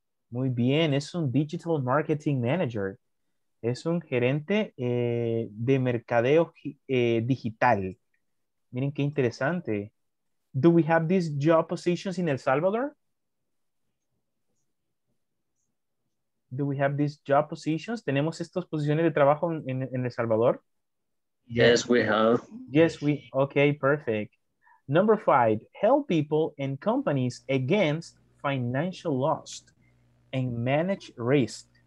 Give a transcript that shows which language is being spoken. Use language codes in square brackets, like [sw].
[es] Muy bien, es un digital marketing manager. Es un gerente de mercadeo digital. Miren qué interesante. [en] Do we have these job positions in El Salvador? Do we have these job positions? [es] ¿Tenemos estas posiciones de trabajo en El Salvador? [en] Yes, we have. Okay, perfect. Number five, help people and companies against financial loss and manage risk.